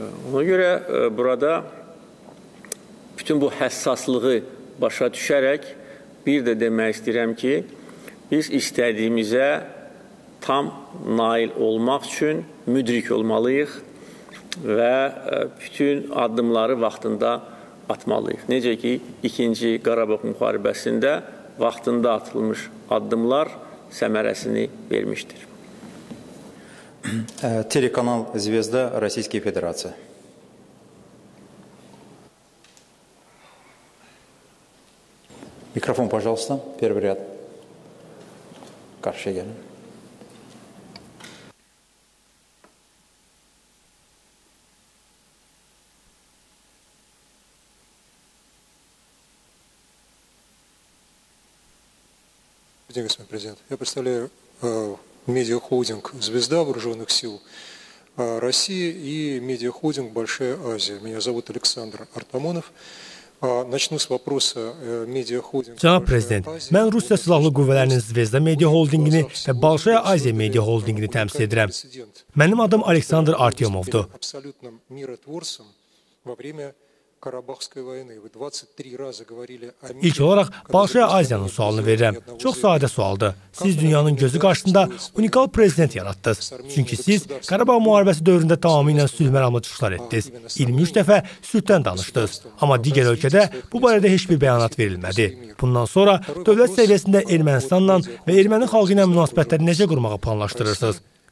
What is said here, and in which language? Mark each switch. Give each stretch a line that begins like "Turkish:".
Azerbaijani: Ona görə burada bütün bu həssaslığı başa düşərək bir də demək istəyirəm ki, biz istədiyimizə tam nail olmaq üçün müdrik olmalıyıq və bütün addımları vaxtında atmalıyıq. Necə ki, ikinci Qarabağ müharibəsində vaxtında atılmış addımlar səmərəsini vermişdir.
Russian: Телеканал «Звезда» Российской Федерации. Микрофон, пожалуйста, первый ряд.
Azerbaijani: Карше гелин.
Russian: Господин президент, я представляю медиахолдинг «Звезда» Вооруженных сил России и медиахолдинг «Большая Азия». Меня зовут Александр Артамонов. Начну с вопроса медиахолдинга.
Azerbaijani: Cənab prezident, mən Rusiya silahlı qüvvələrinin Zvezda media holdingini və Balşaya Aziya media holdingini təmsil edirəm. Mənim adım Aleksandr Artyomovdur.
Russian: Абсолютно миротворцем во время Карабахской войны. Вы 23 раза говорили о мире.
Azerbaijani: İlk olaraq Balşaya Aziyanın sualını verirəm. Çox sadə sualdır. Siz dünyanın gözü qarşısında unikal prezident yaratdınız. Çünki siz Qarabağ müharibəsi dövründə tamamilə sülh məramlı çıxışlar etdiniz. 23 dəfə sülhdən danışdınız. Amma digər ölkədə bu barədə heç bir bəyanat verilmədi. Bundan sonra dövlət səviyyəsində Ermənistanla və erməni xalqı ilə münasibətləri necə qurmağı planlaşdırırsınız?